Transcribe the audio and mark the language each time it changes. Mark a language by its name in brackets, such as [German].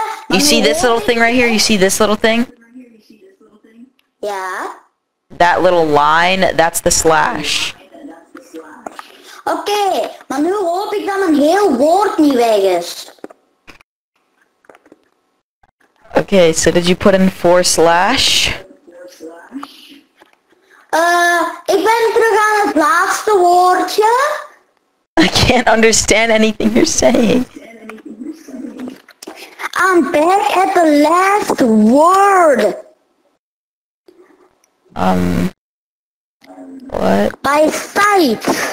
[English] You see this little thing right here? You see this little thing? Yeah. That little line, that's the slash. [Dutch] Okay, maar nu hoop ik dat mijn heel woord niet weg is. [English] Okay, so did you put in four slash? [Dutch] Ik ben terug aan het laatste woordje. [English] I can't understand anything you're saying. I'm back at the last word. What? By sight.